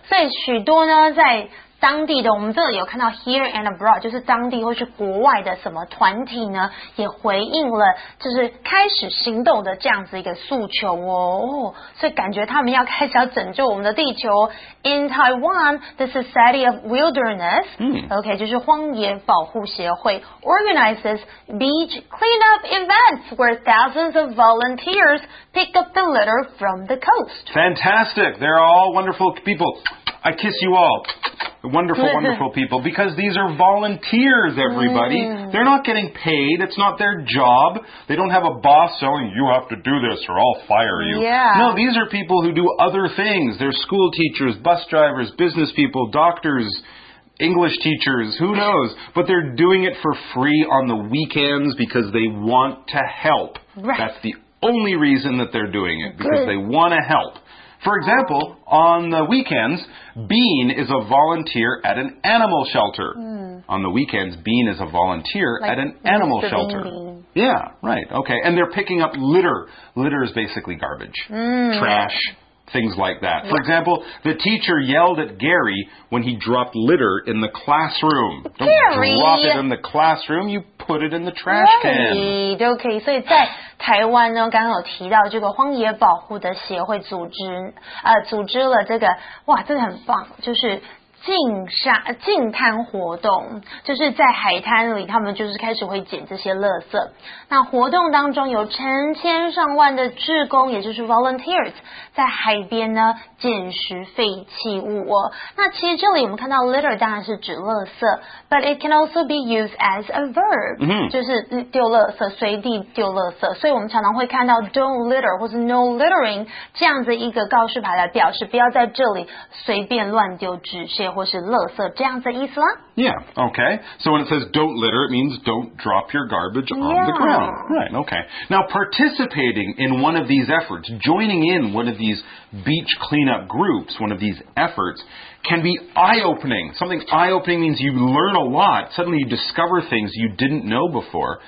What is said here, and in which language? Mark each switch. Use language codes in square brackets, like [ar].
[zh] 所以许多呢在当地的我们这里有看到 [en] here and abroad [zh] 就是当地或是国外的什么团体呢也回应了就是开始行动的这样子一个诉求哦，所以感觉他们要开始要拯救我们的地球 [en] in Taiwan the Society of Wilderness、 [zh] OK 就是荒野保护协会 [en] organizes beach cleanup events where thousands of volunteers pick up the litter from the coast fantastic they're all wonderful people I kiss you allWonderful, wonderful people, because these are volunteers, everybody. They're not getting paid. It's not their job. They don't have a boss saying, you have to do this or I'll fire you. Yeah. No, these are people who do other things. They're school teachers, bus drivers, business people, doctors, English teachers, who knows? But they're doing it for free on the weekends because they want to help. Right. That's the only reason that they're doing it, because they want to help. For example, on the weekends, Bean is a volunteer at an animal shelter. Mm. On the weekends, Bean is a volunteer like at an animal shelter. Yeah, right. Okay. And they're picking up litter. Litter is basically garbage. Mm. Trash, things like that. For example, the teacher yelled at Gary when he dropped litter in the classroom. Don't drop it in the classroom. You put it in the trash can. Right. Okay. So it's that. [zh] 台湾呢，刚刚有提到这个荒野保护的协会组织，组织了这个，哇，这个很棒，就是净滩活动，就是在海滩里他们就是开始会捡这些垃圾。那活动当中有成千上万的志工，也就是 volunteers 在海边呢捡拾废弃物、哦、那其实这里我们看到 litter 当然是指垃圾， [en] but it can also be used as a verb、 mm-hmm. [zh] 就是丢垃圾，随地丢垃圾，所以我们常常会看到 [en] don't litter [zh] 或是 [en] no littering [zh] 这样子一个告示牌来表示不要在这里随便乱丢纸屑或是垃圾，这样子意思啦。 [en] Yeah, okay. So when it says don't litter, it means don't drop your garbage on、 yeah. the ground. Right, okay. Now participating in one of these efforts, joining in one of these beach cleanup groups, one of these efforts, can be eye-opening. Something eye-opening means you learn a lot. Suddenly you discover things you didn't know before、